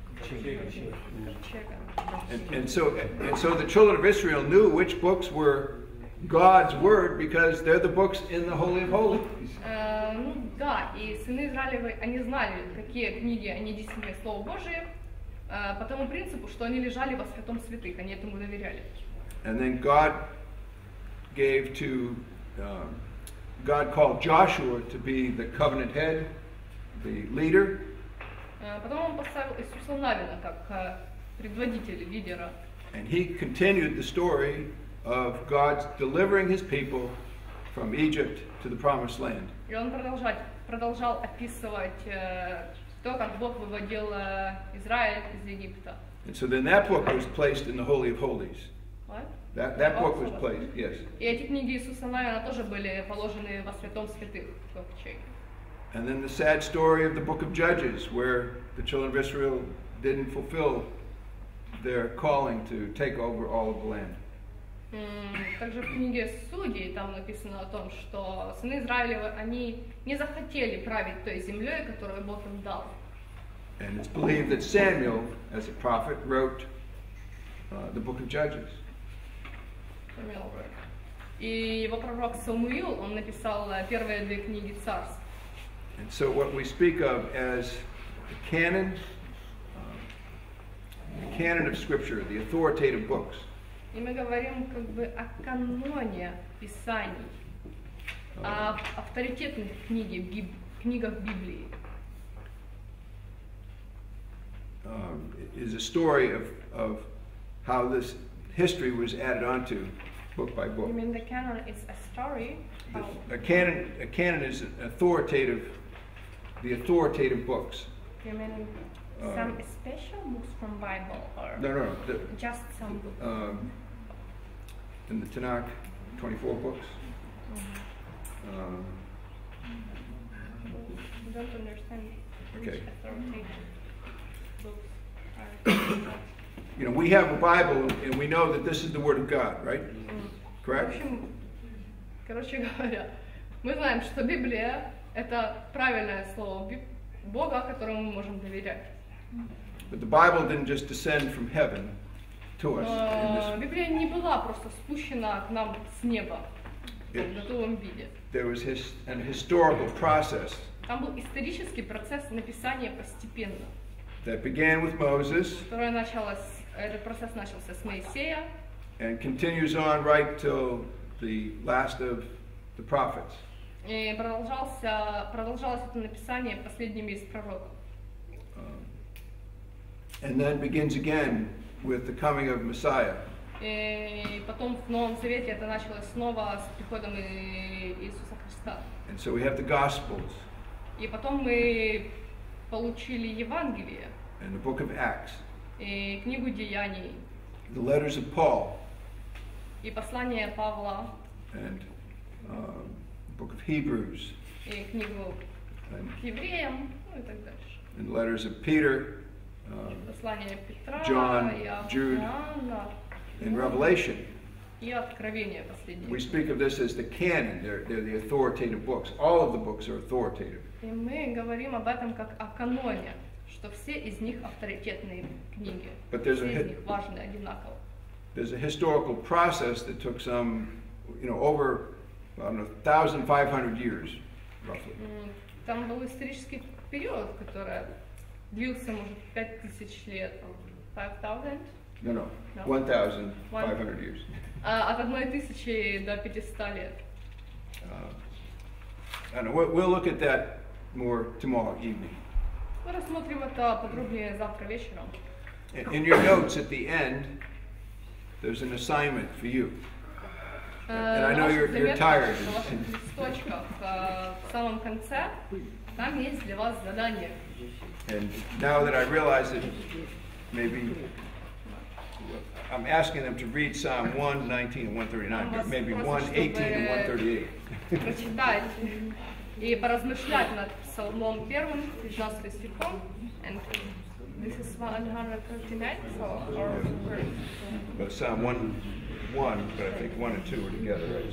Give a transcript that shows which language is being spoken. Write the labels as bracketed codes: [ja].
[en] And so the children of Israel knew which books were God's word, because they're the books in the Holy of Holies. [ru] Да, и сыны Израилевы, они знали, какие книги, они действительно Слово Божие, по тому принципу, что они лежали во святом святых, они этому доверяли. [en] And then God gave to God called Joshua to be the covenant head, the leader. [ru] Потом он поставил Иисуса Навина как предводителя, лидера. [en] And he continued the story of God's delivering his people from Egypt to the promised land. [ru] И он продолжал описывать то, как Бог выводил Израиль из Египта. [en] And so then that book was placed in the Holy of Holies. What? That book was placed, yes. [ru] И эти книги Иисуса Навина тоже были положены во святом святых, в ковчеге. [en] And then the sad story of the book of Judges, where the children of Israel didn't fulfill their calling to take over all of the land. [ru] Также в книге Судей там написано о том, что сыны Израилевы, они не захотели править той землей, которую Бог им дал. [en] And it's believed that Samuel, as a prophet, wrote the book of Judges. Samuel. [ru] И его пророк Самуил, он написал первые две книги царств. [en] And so what we speak of as the canon of Scripture, the authoritative books. [ru] И мы говорим как бы о каноне Писаний, о авторитетных книгах Библии. [en] Is a story of how this history was added onto book by book. You mean the canon is a story? A canon is the authoritative books. You mean some special books from Bible or no, just some books? In the Tanakh, 24 books. Mm-hmm. I don't understand which authoritative books are. You know, we have a Bible, and we know that this is the Word of God, right? Mm-hmm. Correct? [ru] Короче говоря, мы знаем, что Библия — это правильное слово Бога, которому мы можем доверять. [en] But the Bible didn't just descend from heaven to us in [ru] Библия не была просто спущена к нам с неба в готовом виде. [en] There was an historical process. [ru] Там был исторический процесс написания постепенно. [en] That began with Moses. [ru] Который начался, этот процесс начался с Моисея. [en] And continues on right till the last of the prophets. [ru] И продолжалось это написание последними из пророков. [en] And then begins again with the coming of Messiah. [ru] И потом в Новом Завете это началось снова с приходом Иисуса Христа. [en] And so we have the Gospels. [ru] И потом мы получили Евангелие. [en] And the book of Acts. [ru] И книгу Деяний. [en] The letters of Paul. [ru] И послание Павла. [en] And the book of Hebrews. [ru] И книгу к Евреям, ну и так дальше. [en] And the letters of Peter. [ru] Послание Петра, [en] John, Jude, and Revelation. [ru] И Откровение последнее. [en] We speak of this as the canon. They're the authoritative books. All of the books are authoritative. [ru] И мы говорим об этом как о каноне, что все из них авторитетные книги. [en] But there's [ru] все из них важны одинаково. [en] There's a historical process that took some, you know, over, I don't know, 1,500 years, roughly. [ru] Там был исторический период, который длился, может, 5000 лет. [en] 5000? No. 1,500 years. [ru] От 1000 до 500 лет. [en] We'll look at that more tomorrow evening. [ru] Мы рассмотрим это подробнее завтра вечером. [en] In your notes at the end, there's an assignment for you. And I know you're tired. [ru] В ваших листочках, в самом конце, там есть для вас задание. [en] And now that I realize that maybe I'm asking them to read Psalm 119 and 139, maybe 118 and 138. [ru] Прочитать и поразмышлять над Псалмом 1, 15 стихом. [en] And this is 139, so, or Psalm 1, but I think 1 and 2 are together, right?